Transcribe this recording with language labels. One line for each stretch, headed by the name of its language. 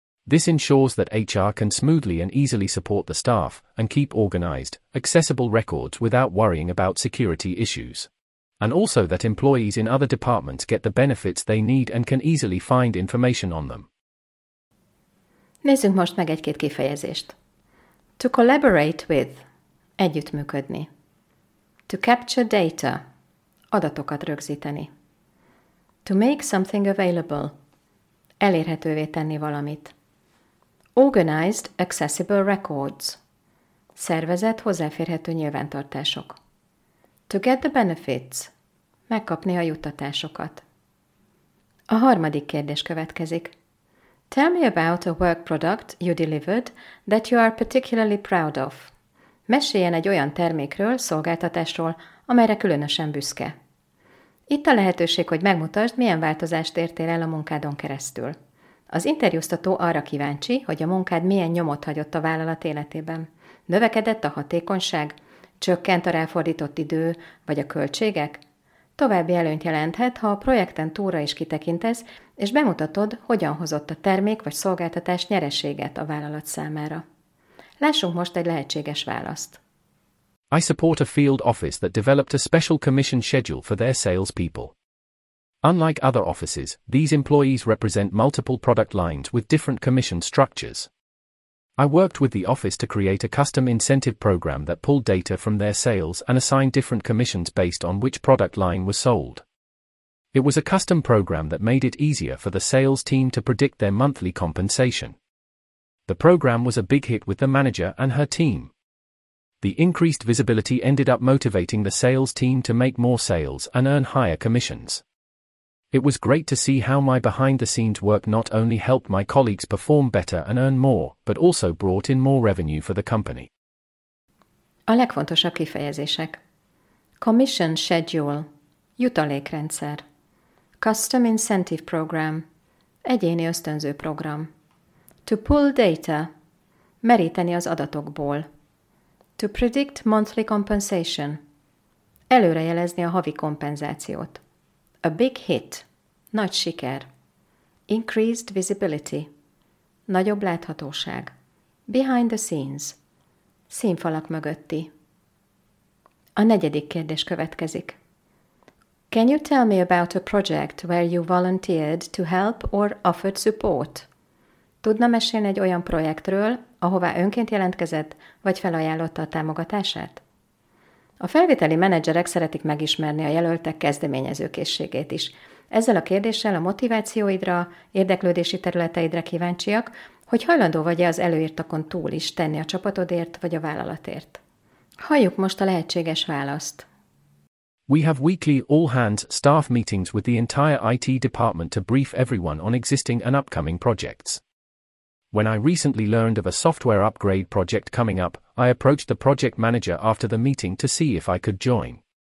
English: This ensures that HR can smoothly and easily support the staff and keep organized, accessible records without worrying about security issues. And also that employees in other departments get the benefits they need and can easily find information on them.
Hungarian: Nézzünk most meg egy-két kifejezést.
English: To collaborate with,
Hungarian: együttműködni.
English: To capture data,
Hungarian: adatokat rögzíteni.
English: To make something available,
Hungarian: elérhetővé tenni valamit.
English: Organized accessible records,
Hungarian: szervezett hozzáférhető nyilvántartások.
English: To get the benefits,
Hungarian: megkapni a juttatásokat. A harmadik kérdés következik.
English: Tell me about a work product you delivered that you are particularly proud of.
Hungarian: Meséljen egy olyan termékről, szolgáltatásról, amelyre különösen büszke. Itt a lehetőség, hogy megmutasd, milyen változást értél el a munkádon keresztül. Az interjúztató arra kíváncsi, hogy a munkád milyen nyomot hagyott a vállalat életében. Növekedett a hatékonyság? Csökkent a ráfordított idő, vagy a költségek? További előnyt jelenthet, ha a projekten túlra is kitekintesz, és bemutatod, hogyan hozott a termék vagy szolgáltatás nyereséget a vállalat számára. Lássunk most egy lehetséges választ.
English: I support a field office that developed a special commission schedule for their salespeople. Unlike other offices, these employees represent multiple product lines with different commission structures. I worked with the office to create a custom incentive program that pulled data from their sales and assigned different commissions based on which product line was sold. It was a custom program that made it easier for the sales team to predict their monthly compensation. The program was a big hit with the manager and her team. The increased visibility ended up motivating the sales team to make more sales and earn higher commissions. It was great to see how my behind-the-scenes work not only helped my colleagues perform better and earn more, but also brought in more revenue for the company.
Hungarian: A legfontosabb kifejezések.
English: Commission schedule.
Hungarian: Jutalékrendszer.
English: Custom incentive program.
Hungarian: Egyéni ösztönző program.
English: To pull data.
Hungarian: Meríteni az adatokból.
English: To predict monthly compensation.
Hungarian: Előrejelezni a havi kompenzációt.
English: A big hit.
Hungarian: Nagy siker.
English: Increased visibility.
Hungarian: Nagyobb láthatóság.
English: Behind the scenes.
Hungarian: Színfalak mögötti. A negyedik kérdés következik.
English: Can you tell me about a project where you volunteered to help or offered support?
Hungarian: Tudna mesélni egy olyan projektről, ahová önként jelentkezett, vagy felajánlotta a támogatását? A felvételi menedzserek szeretik megismerni a jelöltek kezdeményezőkészségét is. Ezzel a kérdéssel a motivációidra, érdeklődési területeidre kíváncsiak, hogy hajlandó vagy-e az előírtakon túl is tenni a csapatodért vagy a vállalatért. Halljuk most a lehetséges választ.
English: We have weekly all-hands staff meetings with the entire IT department to brief everyone on existing and upcoming projects. When I recently learned of a software upgrade project coming up, I approached the project manager after the meeting to see if I could join.